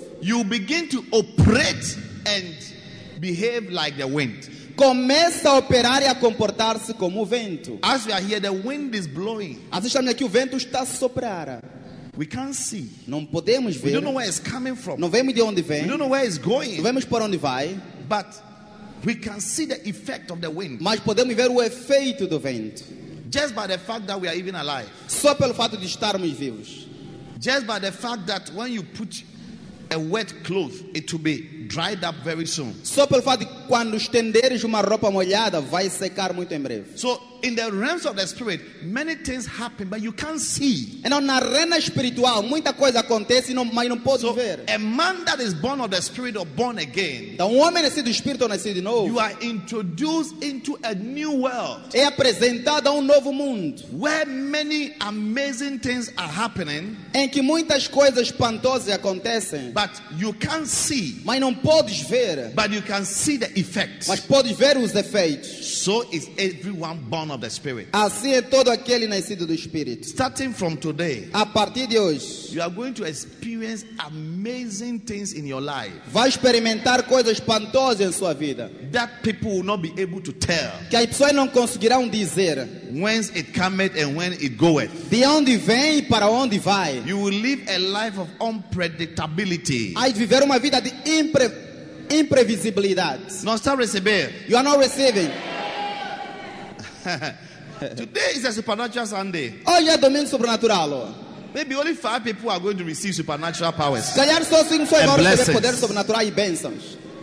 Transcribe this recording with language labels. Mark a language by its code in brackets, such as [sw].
[en] you begin to operate and behave like the wind. [pt] Começa a operar e a comportar-se como o vento. [en] As we are here, the wind is blowing. [pt] Assim estamos aqui, o vento está a soprar. [en] We can't see. [pt] Não podemos ver. [en] We don't know where it's coming from. [pt] Não vemos de onde vem. [en] We don't know where it's going. [pt] Não vemos para onde vai. [en] But we can see the effect of the wind. [pt] Mas podemos ver o efeito do vento. [en] Just by the fact that we are even alive. [pt] Só pelo fato de estarmos vivos. [en] Just by the fact that when you put a wet cloth, it will be dried up very soon. [pt] Só pelo fato de quando estenderes uma roupa molhada, vai secar muito em breve. [en] So, in the realms of the spirit, many things happen, but you can't see. [pt] Então, na arena espiritual, muita coisa acontece, mas não pode [en] so, [pt] ver. [en] A man that is born of the spirit or born again, [pt] então, um homem nascido do espírito ou nascido de novo, [en] you are introduced into a new world. [pt] É apresentado a novo mundo. [en] Where many amazing things are happening, [pt] em que muitas coisas espantosas acontecem, [en] but you can't see. [pt] Mas não podes ver. [en] But you can see the effects. [pt] Mas podes ver os efeitos. [en] So is everyone born of the Spirit. [pt] Assim é todo aquele nascido do Espírito. [en] Starting from today, [pt] a partir de hoje, [en] you are going to experience amazing things in your life. [pt] Vai experimentar coisas espantosas em sua vida. [en] That people will not be able to tell. [pt] Que as pessoas não conseguirão dizer. [en] Whence it cometh and when it goeth. [pt] De onde vem e para onde vai. [en] You will live a life of unpredictability. [pt] Vai viver uma vida de imprevisibilidade. [en] No, start receiving. You are not receiving. Today is a supernatural Sunday. [pt] Hoje é domingo sobrenatural. [en] Maybe only 5 people are going to receive supernatural powers. [pt] Ganhar só 5 pessoas vão receber poder sobrenatural e bênçãos.